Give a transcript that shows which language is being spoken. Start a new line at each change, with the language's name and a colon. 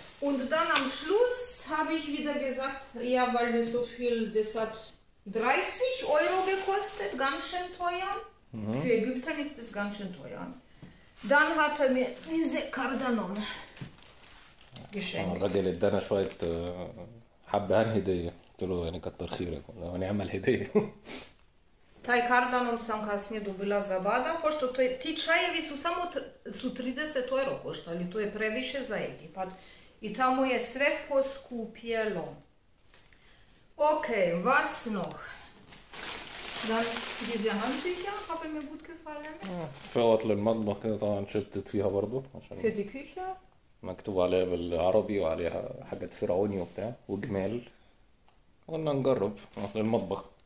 German: Und dann am Schluss habe ich wieder gesagt, ja, weil wir so viel, das hat 30 Euro gekostet, ganz schön teuer. Für Ägypten ist das ganz schön teuer. Dann hat er mir diese Kardanom geschenkt.
Arabic: الراجل ادانا شوية حبة هدية قلت له يعني كتر خيرك ونعمل هدية
Bosnian: Taj kardanom sam kasnije dobila za bada, pošto to je, ti čajevi su samo su 30 euro koštali, to je previše za Egipat. I tamo je sve poskupjelo. Ok,
German: was noch? Dann diese Handtücher haben mir gut gefallen.
Arabic: فوت للمطبخ كده طبعا شدت فيها برضو عشان
German: Für die Küche.
Arabic: مكتوب عليها بالعربي وعليها حاجات فرعوني وبتاع وجمال قلنا نجرب للمطبخ